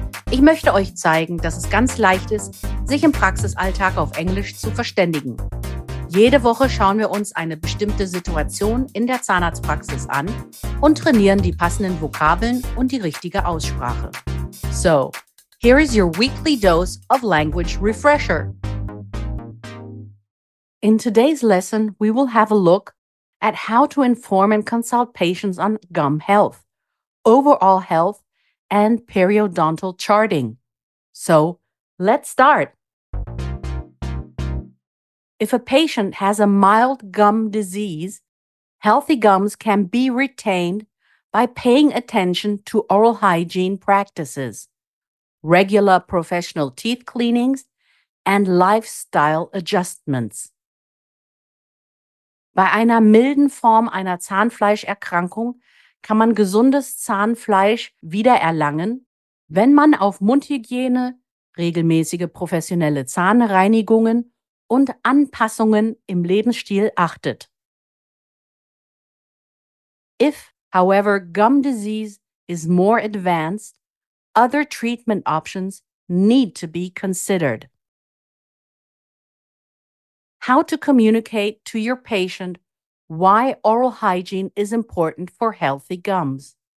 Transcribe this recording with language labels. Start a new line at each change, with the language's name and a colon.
German: Ich möchte euch zeigen, dass es ganz leicht ist, sich im Praxisalltag auf Englisch zu verständigen. Jede Woche schauen wir uns eine bestimmte Situation in der Zahnarztpraxis an und trainieren die passenden Vokabeln und die richtige Aussprache.
English: So, here is your weekly dose of language refresher. In today's lesson, we will have a look at how to inform and consult patients on gum health, overall health, and periodontal charting. So, let's start. If a patient has a mild gum disease, healthy gums can be retained by paying attention to oral hygiene practices, regular professional teeth cleanings, and lifestyle adjustments.
German: Bei einer milden Form einer Zahnfleischerkrankung kann man gesundes Zahnfleisch wiedererlangen, wenn man auf Mundhygiene, regelmäßige professionelle Zahnreinigungen und Anpassungen im Lebensstil achtet.
English: If, however, gum disease is more advanced, other treatment options need to be considered. How to communicate to your patient why oral hygiene is important for healthy gums.